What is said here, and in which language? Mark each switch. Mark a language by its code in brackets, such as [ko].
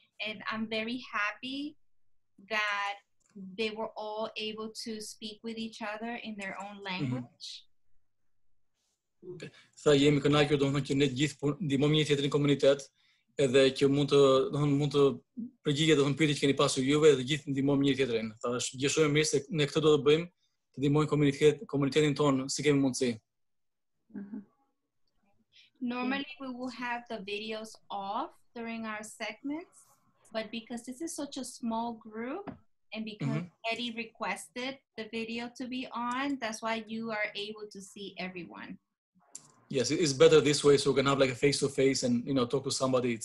[en] And I'm very happy that they were all able to speak with each other in their own language. [sq] Sa jemi kënaqur domthonë që ne gjithë ndihmojmë një tjetrin komunitet, edhe që mund të përgjigjet domthonë pyetjet që keni pasur juve, edhe gjithë ndihmojmë një tjetrin. Sa është gjë shumë e mirë se ne këtë do të bëjmë, të ndihmojmë komunitetin ton si kemi mundësi. [en] Normally we will have the videos off during our segments, but because this is such a small group, and because Eddie requested the video to be on, that's why you are able to see everyone. Yes, it's better this way, so we can have like a face-to-face and, you know, talk to somebody.